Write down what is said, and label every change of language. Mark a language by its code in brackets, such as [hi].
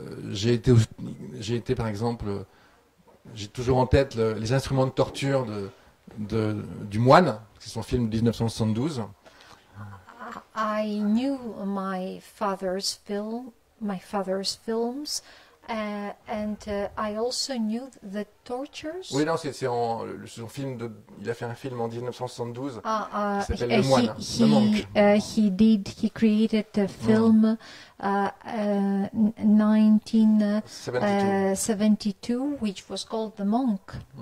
[fr] J'ai été, par exemple, j'ai toujours en tête les instruments de torture du Moine, qui sont films de 1972. [en] I knew my father's films, and I also knew the tortures. [fr] Oui, non, il a fait un film en 1972. Qui s'appelle Le Moine. [en] He created a film 1972, which was called The Monk.